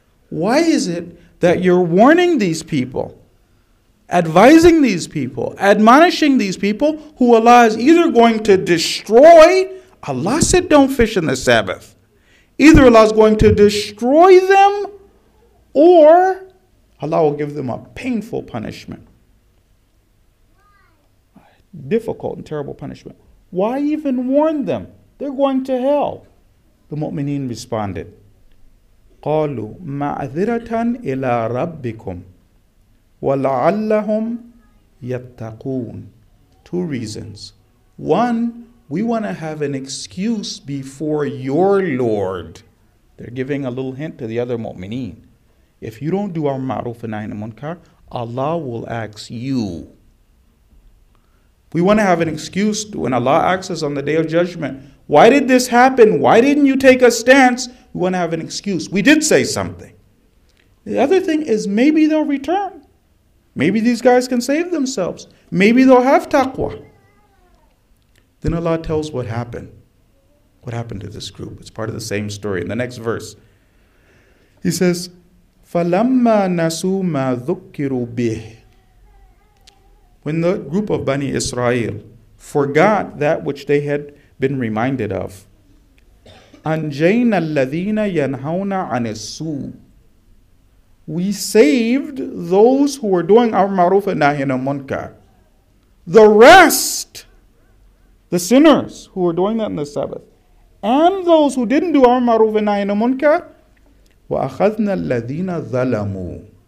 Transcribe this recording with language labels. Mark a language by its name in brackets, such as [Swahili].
[English] Why is it that you're warning these people, advising these people, admonishing these people, who Allah is either going to destroy, Allah said don't fish in the Sabbath, either Allah is going to destroy them, or Allah will give them a painful punishment. Difficult and terrible punishment. Why even warn them? They're going to hell. The mu'mineen responded, [Arabic] قَالُوا مَعْذِرَةً إِلَىٰ رَبِّكُمْ وَلَعَلَّهُمْ يَتَّقُونَ. [English] Two reasons. One, we want to have an excuse before your Lord. They're giving a little hint to the other mu'mineen. If you don't do our ma'ruf and nahy munkar, Allah will ask you. We want to have an excuse when Allah asks us on the Day of Judgment, why did this happen? Why didn't you take a stance? We want to have an excuse. We did say something. The other thing is maybe they'll return. Maybe these guys can save themselves. Maybe they'll have taqwa. Then Allah tells what happened. What happened to this group? It's part of the same story. In the next verse, He says, [Arabic] فَلَمَّا نَسُوا مَا ذُكِّرُوا بِهِ. [English] When the group of Bani Israel forgot that which they had been reminded of. [Arabic] أنجينا الذين ينهون عن السوء. [English] We saved those who were doing our ma'ruf and nahy and munkar. The rest, the sinners who were doing that in the Sabbath, and those who didn't do our ma'ruf and nahy and munkar, [Arabic] وَأَخَذْنَا الَّذِينَ ظَلَمُوا.